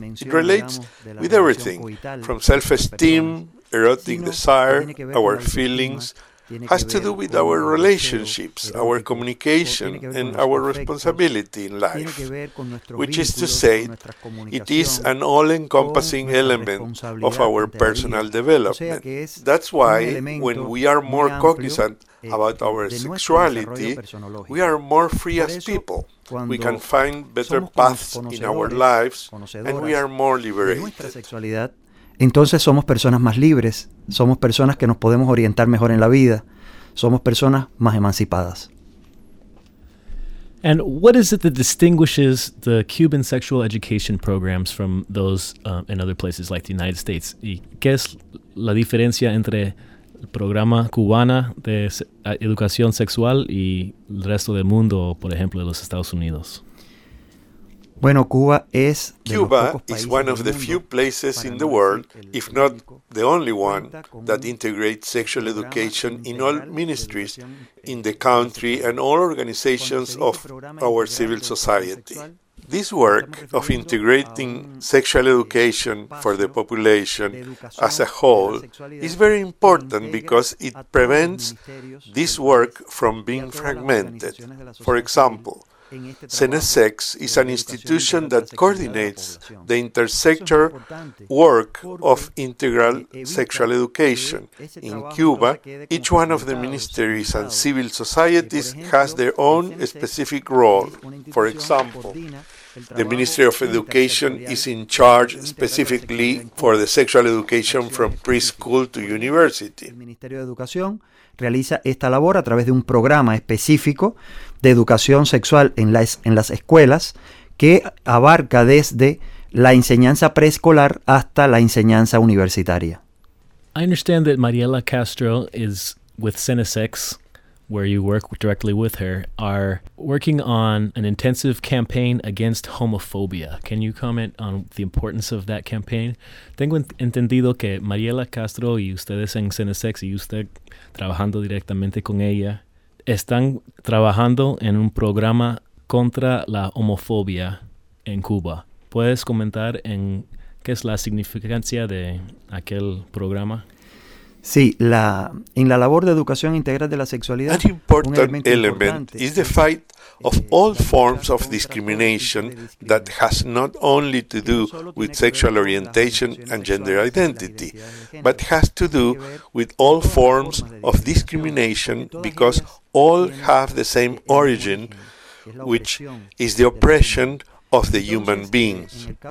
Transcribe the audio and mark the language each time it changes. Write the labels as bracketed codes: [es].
[en] It relates with everything from self-esteem, erotic desire, our feelings, has to do with our relationships, our communication, and our responsibility in life, which is to say, it is an all-encompassing element of our personal development. That's why when we are more cognizant about our sexuality, we are more free as people. We can find better paths in our lives, and we are more liberated. [es] Entonces somos personas más libres, somos personas que nos podemos orientar mejor en la vida, somos personas más emancipadas. [en] And what is it that distinguishes the Cuban sexual education programs from those in other places like the United States? [es] ¿Y qué es la diferencia entre el programa cubana de educación sexual y el resto del mundo, por ejemplo, de los Estados Unidos? Bueno, Cuba es [en] Cuba is one of the few places in the world, if not the only one, that integrates sexual education in all ministries in the country and all organizations of our civil society. This work of integrating sexual education for the population as a whole is very important because it prevents this work from being fragmented. For example, CENESEX is an institution that coordinates the intersector work of integral sexual education. In Cuba, each one of the ministries and civil societies has their own specific role. For example, the Ministry of Education is in charge specifically for the sexual education from preschool to university. [es] Realiza esta labor a través de un programa específico de educación sexual en las escuelas que abarca desde la enseñanza preescolar hasta la enseñanza universitaria. [en] I understand that Mariela Castro is with CENESEX. where you work directly with her, are working on an intensive campaign against homophobia. Can you comment on the importance of that campaign? [es] Tengo entendido que Mariela Castro y ustedes en CeneSex y usted trabajando directamente con ella están trabajando en un programa contra la homofobia en Cuba. ¿Puedes comentar en qué es la significancia de aquel programa? Sí, la en la labor de educación integral de la sexualidad, [en] an important element is the fight of all forms of discrimination that has not only to do with sexual orientation and gender identity, but has to do with all forms of discrimination because all have the same origin, which is the oppression of the human beings.